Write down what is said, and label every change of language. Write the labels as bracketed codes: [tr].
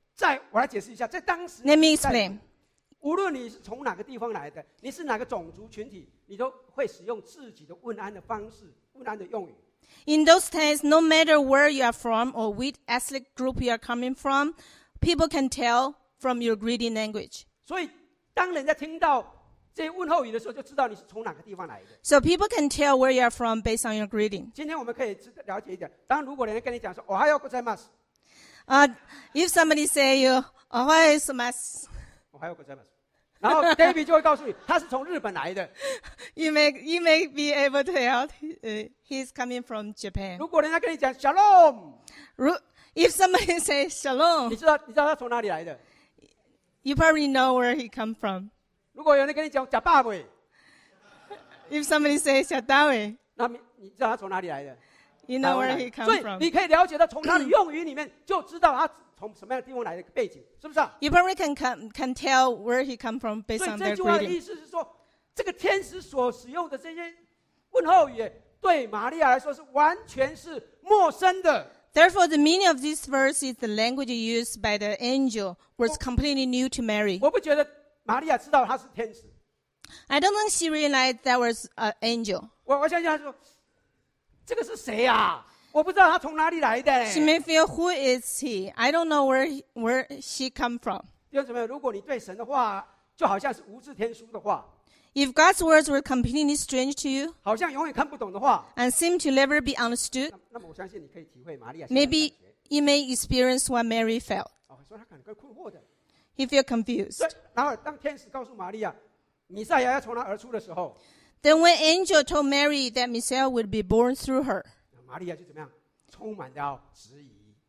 [zh] 在我来解释一下，在当时。 [en] Let me explain. [zh] 无论你是从哪个地方来的，你是哪个种族群体。你都会使用自己的问安的方式，问安的用语。 [en] In those days, no matter where you are from or which ethnic group you are coming from, people can tell from your greeting language. [zh] 所以，当人家听到这些问候语的时候，就知道你是从哪个地方来的。 [en] So people can tell where you are from based on your greeting. [zh] 今天我们可以了解一点。当如果人家跟你讲说 [ja] “Ohayo gozaimasu”， [en] if somebody say you [ja] “Ohayo gozaimasu”， “Ohayo gozaimasu”。 [zh] 然后 David 就会告诉你他是从日本来的。 [en] You may be able to tell he's coming from Japan. [zh] 如果人家跟你讲 Shalom, [en] if somebody says Shalom, [zh] 你知道他从哪里来的？ [en] You probably know where he come from. [zh] 如果有人跟你讲 Zimbabwe, [en] if somebody says Zimbabwe, [zh] 那你知道他从哪里来的？ [en] You know where he come from. [zh] 所以你可以了解到从他的用语里面就知道他从什么样的地方来的背景，是不是、啊、 [en] ？You probably can tell where he come from based on their greeting. [zh] 所以这句话的意思是说，这个天使所使用的这些问候语，对玛利亚来说是完全是陌生的。 [en] Therefore, the meaning of this verse is the language used by the angel was completely new to Mary. [zh] 我不觉得玛利亚知道他是天使。 [en] I don't think she realized that was an angel. [zh] 我相信他说，这个是谁啊？我不知道他从哪里来的。 [en] She may feel who is he? I don't know where she come from. [zh] 弟兄姊妹，如果你对神的话就好像是无字天书的话 [en] ，If God's words were completely strange to you， [zh] 好像永远看不懂的话 [en] ，and seem to never be understood， [zh] 那么我相信你可以体会玛利亚。 [en] Maybe you may experience what Mary felt. [zh] 所以他感到困惑的。 [en] He feel confused. [zh] 然后当天使告诉玛利亚，弥赛亚要从她而出的时候 [en] ，Then when angel told Mary that Messiah would be born through her。 [zh] 玛利亚就怎么样，充满了质疑。